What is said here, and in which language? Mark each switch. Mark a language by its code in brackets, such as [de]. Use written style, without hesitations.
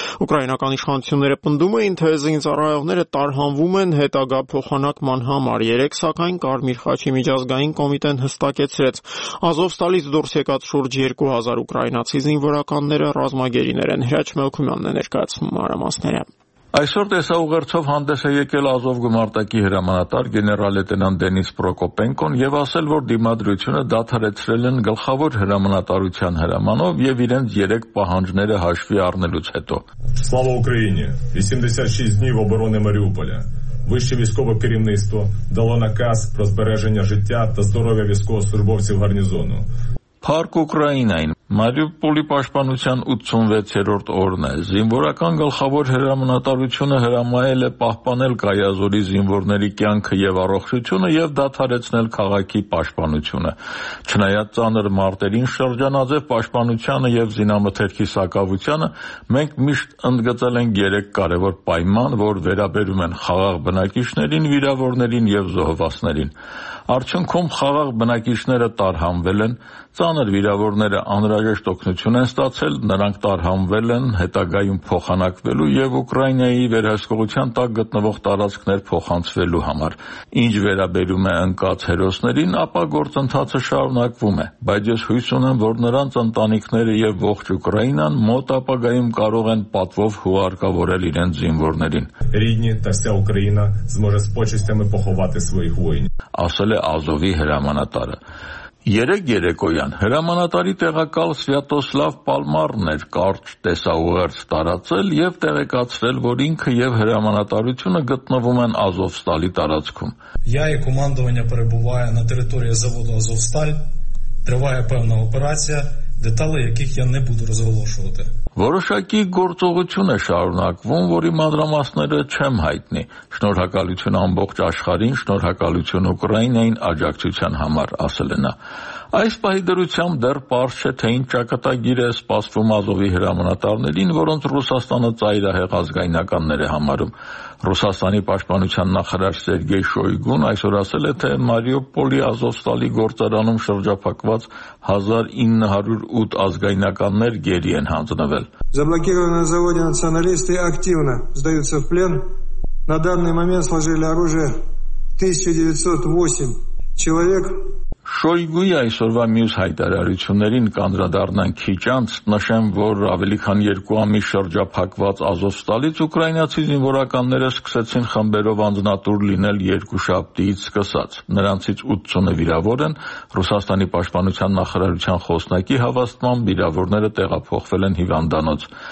[hy] ուկրաինական իշխանությունները պնդում էին, թե զինծառայողները տարհանվում են հետագա փոխանակման համար, երեք, սակայն Կարմիր խաչի միջազգային կոմիտեն հստակեցրեց, Ազովստալից դուրս եկած շուրջ 2000 ուկրաինացի զինվորականները ռազմագերիներ են։ Հրաչ Մելքումյանն է ներկայացնում մասնակցությունը։ Այսօր տեսաուղերձով հանդես է եկել Ազով գումարտակի հրամանատար գեներալ լեյտենանտ Դենիս Պրոկոպենկոն և ասել, որ դիմադրությունը դադարեցրել են գլխավոր հրամանատարության հրամանով և իրենց երեք պահանջները հաշվի առնելուց հետո։ [uk] Слава Україні! 86 днів оборони Маріуполя. Вище військове керівництво дало наказ про збереження життя та здоров'я військовослужбовців гарнізону. [hy] Փառք Ուկրաինային, Մարիուպոլի պաշտպանության 86-րդ օրն է, զինվորական գլխավոր հրամանատարությունը հրամայել է պահպանել Կայազորի զինվորների կյանքը և առողջությունը և դադարեցնել քաղաքի պաշտպանությունը։ Չնայած ծանր մարտերին, շրջանաձև պաշտպանությանը և զինամթերքի սակավությանը, մենք միշտ ընդգծել ենք երեք կարևոր պայման, որ վերաբերում են խաղաղ բնակիչներին, վիրավորներին և զոհվածներին։ Արդյունքում խաղաղ բնակիչները տարհանվել են, ծանր վիրավորները անհրաժեշտ օգնություն են ստացել, նրանք տարհանվել են հետագայում փոխանակվելու և Ուկրաինայի վերահսկողության տակ գտնվող տարածքներ փոխանցվելու համար։ Ինչ վերաբերում է ընկած հերոսներին, ապա գործընթացը շարունակվում է, բայց ես հույս ունեմ, որ նրանց ընտանիքները և ողջ Ուկրաինան մոտ ապագայում կարող են պատվով հուարկավորել իրենց զինվորներին։ [uk] Рідні та вся Україна зможе з почестями поховати своїх воїнів, [hy] ասել է Ազովի հրամանատարը։ Երեք երեկոյան հրամանատարի տեղակալ Սվյատոսլավ Պալմարն էր կարճ տեսաուղերձ տարածել և տեղեկացրել, որ ինքը և հրամանատարությունը գտնվում են Ազովստալի տարածքում։ [uk] Я і командування перебуває на території заводу Азовсталь. Триває певна операція, деталі яких я не буду розголошувати. [hy] Որոշակի գործողություն է շարունակվում, որի մանրամասները չեմ հայտնի։ Շնորհակալություն ամբողջ աշխարհին, շնորհակալություն Ուկրաինային աջակցության համար, ասել է նա։ Այս պահի դրությամբ դեռ պարզ չէ, թե ինչ ճակատագիր է սպասվում Ազովի հրամանատարներին, որոնց Ռուսաստանը ծայրահեղ ազգայնականներ է համարում։ Ռուսաստանի պաշտպանության նախարար Սերգեյ Շոյգուն այսօր ասել է, թե Մարիուպոլի Ազովստալի գործարանում շրջափակված 1908 ազգայնականներ գերի են հանձնվել։ [ru] Заблокированные на заводе националисты активно сдаются в плен. На данный момент сложили оружие 1908 человек. [hy] Շոյգուի այսօրվա մյուս հայտարարություններին կանդրադառնան քիչ անց, նշեմ, որ ավելի քան 2 ամիս շրջափակված Ազովստալից ուկրաինացի զինվորականները սկսեցին խմբերով անձնատուր լինել 2 շաբթից սկսած, նրանցից 80-ը վիրավոր են, Ռուսաստանի պաշտպանության նախարարության խոսնակի հավաստմամբ վիրավորները տեղափոխվել են հիվանդանոց։